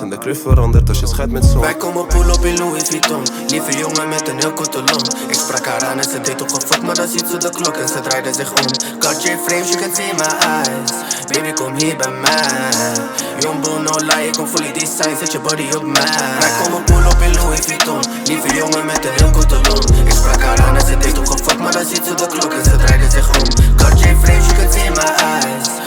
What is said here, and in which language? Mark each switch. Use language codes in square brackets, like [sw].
[nl] En de kleur verandert als je scheidt met zon. Wij komen [en] pull up [nl] in Louis Vuitton. Lieve jongen met een heel korte long. Ik sprak haar aan en ze deed opgefokt. Maar dan ziet ze de klok en ze draaide zich om. [en] Cartier frames, you can see my eyes. [nl] Baby, kom hier bij mij. Jumbo, [en] no lie, [nl] ik kom [en] fully design, [nl] zet je body op mij. Wij komen [en] pull up [nl] in Louis Vuitton. Lieve jongen met een heel korte long. Ik sprak haar aan en ze deed opgefokt. Maar dan ziet ze de klok en ze draaide zich om. [en] Cartier frames, you can see my eyes.